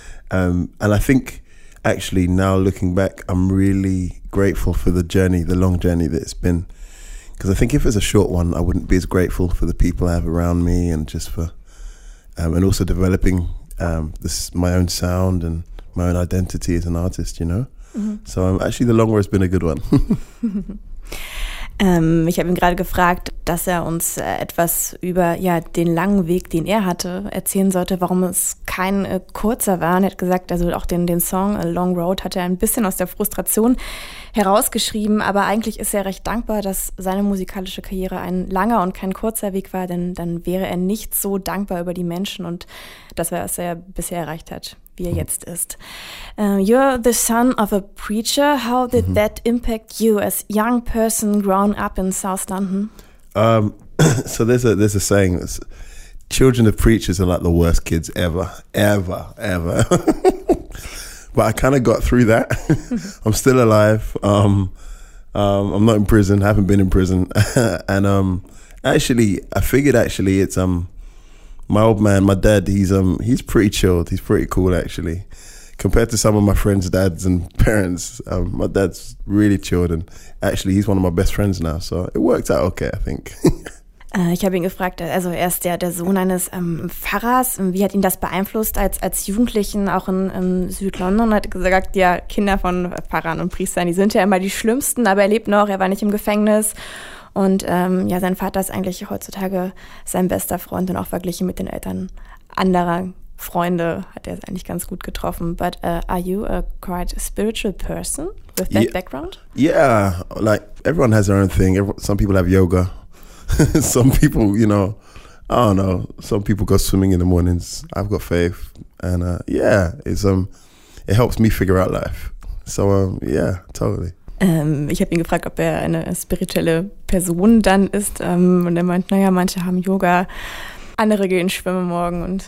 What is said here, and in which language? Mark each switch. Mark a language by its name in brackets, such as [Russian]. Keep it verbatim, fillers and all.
[English] um, and I think, actually, now looking back, I'm really grateful for the journey, the long journey that it's been. Because I think if it's a short one, I wouldn't be as grateful for the people I have around me, and just for, um, and also developing um, this my own sound and my own identity as an artist, you know. So um, actually, the long road's been a good one. [German] Ähm, ich habe ihn gerade gefragt, dass er uns äh, etwas über ja den langen Weg, den er hatte, erzählen sollte, warum es kein äh, kurzer war. Und er hat gesagt, also auch den, den Song äh, Long Road hat er ein bisschen aus der Frustration herausgeschrieben. Aber eigentlich ist er recht dankbar, dass seine musikalische Karriere ein langer und kein kurzer Weg war. Denn dann wäre er nicht so dankbar über die Menschen und das, was er bisher erreicht hat, wie er jetzt ist. [English] Uh, you're the son of a preacher. How did that impact you as young person grown up in South London? Um, so there's a there's a saying that's children of preachers are like the worst kids ever, ever, ever. But I kind of got through that. I'm still alive. Um, um, I'm not in prison. Haven't been in prison. and um, actually, I figured actually it's um my old man, my dad. He's um he's pretty chilled. He's pretty cool actually, compared to some of my friends' dads and parents. Um, my dad's really chilled, and actually he's one of my best friends now. So it worked out okay, I think. [German] Äh, Ich habe ihn gefragt, also er ist der, der Sohn eines ähm, Pfarrers. Wie hat ihn das beeinflusst als, als Jugendlichen auch in, in Südlondon? Er hat gesagt, ja, Kinder von Pfarrern und Priestern, die sind ja immer die Schlimmsten, aber er lebt noch, er war nicht im Gefängnis. Und ähm, ja, sein Vater ist eigentlich heutzutage sein bester Freund und auch verglichen mit den Eltern anderer Freunde hat er es eigentlich ganz gut getroffen. [English] But uh, are you a quite spiritual person with that Yeah. background? Yeah, like everyone has their own thing. Every- Some people have yoga. Some people, you know, I don't know. Some people go swimming in the mornings. I've got faith, and uh, yeah, it's um, it helps me figure out life. So um, yeah, totally. [German] Ähm, ich habe ihn gefragt, ob er eine spirituelle Person dann ist. Ähm, und er meint, naja, manche haben Yoga, andere gehen schwimmen morgen.